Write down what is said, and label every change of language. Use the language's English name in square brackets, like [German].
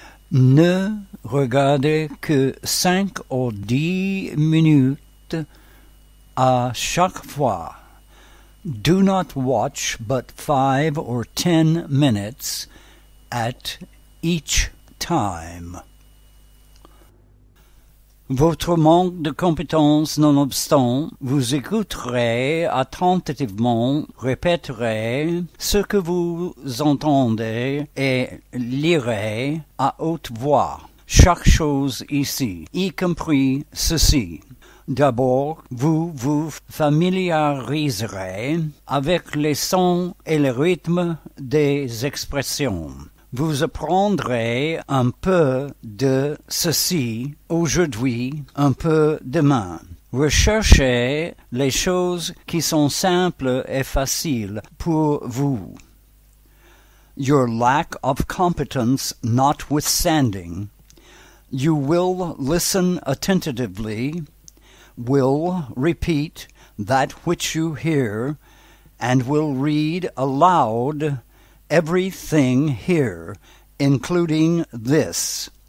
[French] Ne regardez que 5 ou 10 minutes à chaque fois. [English] Do not watch but 5 or 10 minutes at each time. [French] Votre manque de compétences nonobstant, vous écouterez attentivement, répéterez ce que vous entendez et lirez à haute voix chaque chose ici, y compris ceci. D'abord, vous vous familiariserez avec les sons et le rythme des expressions. Vous apprendrez un peu de ceci aujourd'hui, un peu demain. Recherchez les choses qui sont simples et faciles pour vous. [English] Your lack of competence notwithstanding, you will listen attentively, will repeat that which you hear, and will read aloud everything here, including this.